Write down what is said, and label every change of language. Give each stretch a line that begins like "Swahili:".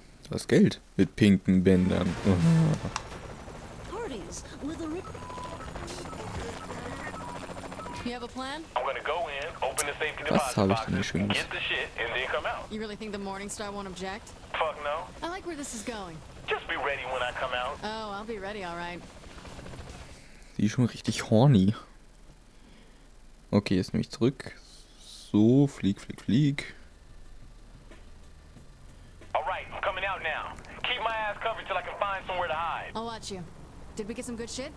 German: Das Geld mit pinken Bändern. Was habe ich denn hier schön gemacht?
English: You really think the Morningstar won't object? Fuck no. I like where this is going. Just be ready when I come out. Oh, I'll be ready, all right.
German: Die ist schon richtig horny. Okay, jetzt nehme ich zurück. So, flieg, flieg, flieg.
English: All right, I'm coming out now. Keep my ass covered till I can find somewhere to hide. I'll watch you. Did we get some good shit?